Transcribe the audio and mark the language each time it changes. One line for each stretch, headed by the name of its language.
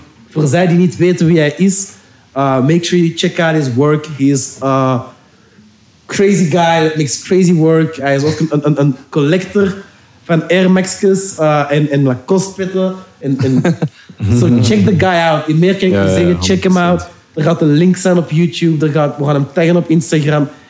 Dutch: Voor zij die niet weten wie hij is,
English: make sure you check out his work. He is a crazy guy that makes crazy work.
Dutch: Hij is ook een collector van Air Max's en Lacoste petten.
English: So check the guy out.
Dutch: In meer kan ik je zeggen,
English: check him out.
Dutch: Er gaat een link zijn op YouTube. We gaan hem taggen op Instagram.